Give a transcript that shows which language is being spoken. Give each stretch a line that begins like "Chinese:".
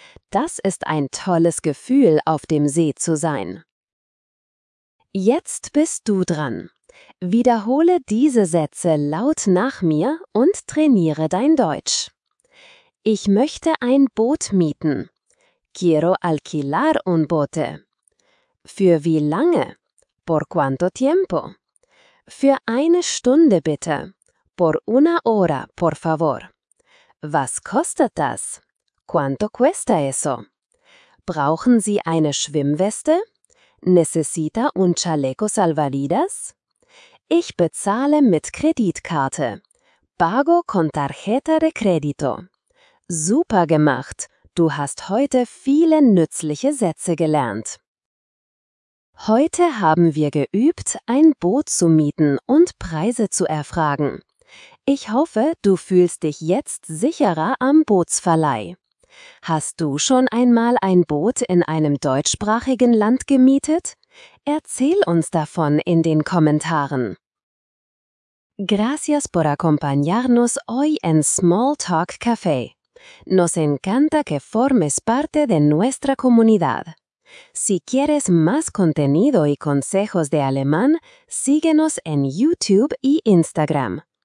German: Das ist ein tolles Gefühl, auf dem See zu sein. Jetzt bist du dran. Wiederhole diese Sätze laut nach mir und trainiere dein Deutsch. Ich möchte ein Boot mieten.
Spanish: Quiero alquilar un bote.
German: Für wie lange?
Spanish: Por cuánto tiempo?
German: Für eine Stunde bitte.
Spanish: Por una hora, por favor.
German: Was kostet das?
Spanish: ¿Cuánto cuesta eso?
German: Brauchen Sie eine Schwimmweste?
Spanish: ¿Necesita un chaleco salvavidas?
German: Ich bezahle mit Kreditkarte.
Spanish: Pago con tarjeta de crédito.
German: Super gemacht! Du hast heute viele nützliche Sätze gelernt. Heute haben wir geübt, ein Boot zu mieten und Preise zu erfragen. Ich hoffe, du fühlst dich jetzt sicherer am Bootsverleih. Hast du schon einmal ein Boot in einem deutschsprachigen Land gemietet? Erzähl uns davon in den Kommentaren.
Spanish: Gracias por acompañarnos hoy en Small Talk Café. Nos encanta que formes parte de nuestra comunidad. Si quieres más contenido y consejos de alemán, síguenos en YouTube y Instagram.